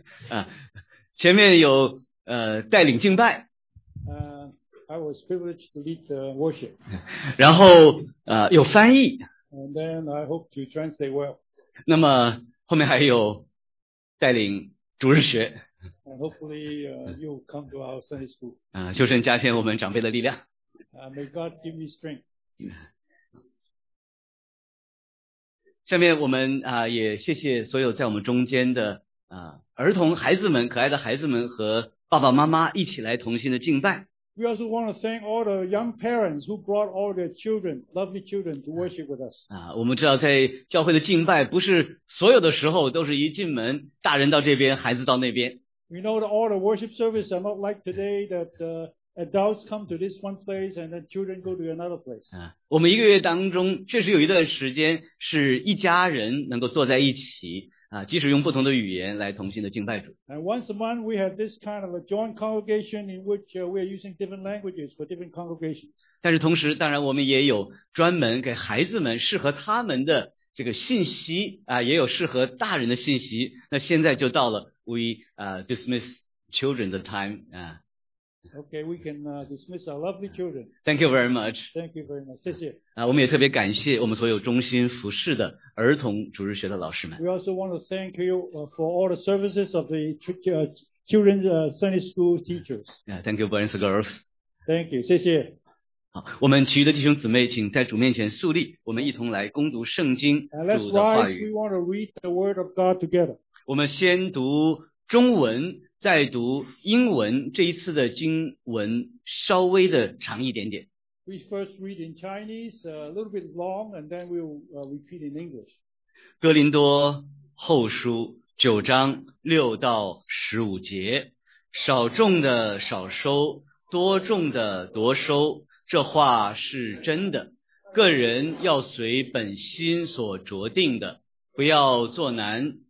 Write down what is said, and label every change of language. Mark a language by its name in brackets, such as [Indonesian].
[Chinese] 啊，前面有带领敬拜， [English] I was privileged to lead the worship， [Chinese] 然后有翻译 [English] ，and then I hope to translate well， [Chinese] 那么后面还有带领主日学。 [English] And hopefully you come to our Sunday school. [Chinese] 求神加添我们长辈的力量。 [English] May God give me strength. [Chinese] 下面我们也谢谢所有在我们中间的儿童孩子们，可爱的孩子们和爸爸妈妈一起来同心的敬拜。 [English] We also want to thank all the young parents who brought all their children, lovely children, to worship with us. [Chinese] 我们知道在教会的敬拜不是所有的时候都是一进门，大人到这边，孩子到那边。 [English] We know that all the worship services are not like today that adults come to this one place and then children go to another place. [Chinese] 我们一个月当中确实有一段时间是一家人能够坐在一起即使用不同的语言来同心的敬拜主。 [English] And once a month we have this kind of a joint congregation in which we are using different languages for different congregations. [Chinese] 但是同时当然我们也有专门给孩子们适合他们的这个信息也有适合大人的信息，那现在就到了 We dismiss children the time. [English] Okay, we can dismiss our lovely children. Thank you very much. Thank you very much. 谢谢。 [Chinese] 我们也特别感谢我们所有忠心服侍的儿童主日学的老师们。 [English] We also want to thank you for all the services of the children's Sunday school teachers. Yeah, thank you, boys and girls. Thank you. 谢谢。 [Chinese] 好，我们其余的弟兄姊妹，请在主面前肃立，我们一同来攻读圣经主的话语。 [English] Let's rise. We want to read the word of God together. [Chinese] 我们先读中文，再读英文。这一次的经文稍微的长一点点。 [English] We first read in Chinese, a little bit long, and then we'll repeat in English. [Chinese] 哥林多后书九章六到十五节：少种的少收，多种的多收，这话是真的。个人要随本心所酌定的，不要做难。